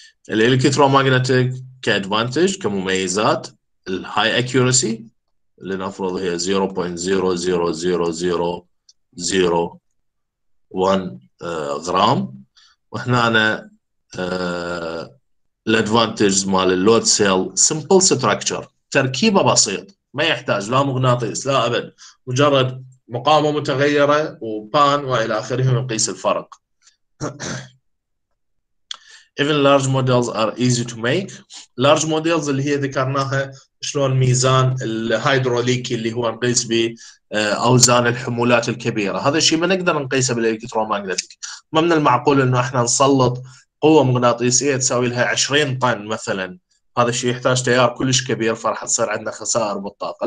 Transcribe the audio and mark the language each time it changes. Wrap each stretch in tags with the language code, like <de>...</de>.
<ar>الالكترومغناطيك كادفانتج، كمميزات، الهاي اكيورسي اللي نفرض هي 0.00001 غرام، وهنا الادفانتج مال اللود سيل سمبل ستراكتشر، تركيبة بسيطة ما يحتاج لا مغناطيس لا أبد، مجرد مقاومة متغيرة وبان وإلى آخره نقيس الفرق.</ar> <en>Even large models are easy to make. Large models</en> <ar>اللي هي ذكرناها شلون ميزان الهيدروليكي اللي هو نقيس به أوزان الحمولات الكبيرة، هذا الشيء ما نقدر نقيسه بالإلكترومغناطيك. ما من المعقول إنه إحنا نسلط قوة مغناطيسية تساوي لها 20 طن مثلاً، هذا الشيء يحتاج تيار كلش كبير فرح تصير عندنا خسائر بالطاقة.</ar>